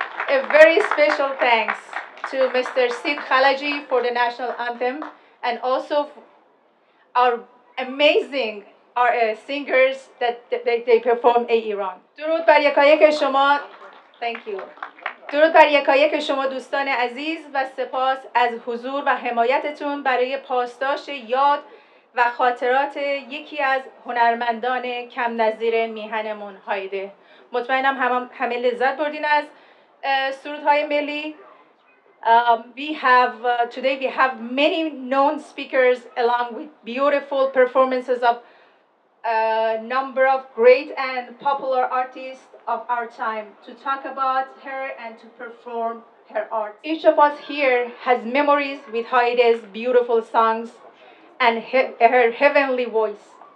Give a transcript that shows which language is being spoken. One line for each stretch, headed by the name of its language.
English: A very special thanks to Mr. Sid Khalaji for the national anthem, and also our amazing singers that they perform in Iran.
Persian: درود بر یکایک شما.
English: Thank you.
Persian: درود بر یکایک شما دوستان عزیز و سپاس از حضور و حمایتتون برای پاسداشت یاد و خاطرات یکی از هنرمندان کم نظیر میهنمون هایده. مطمئنم همه لذت بردین از سرودهای ملی.
English: Today we have many known speakers along with beautiful performances of a number of great and popular artists of our time to talk about her and to perform her art. Each of us here has memories with Hayedeh's beautiful songs and her heavenly voice.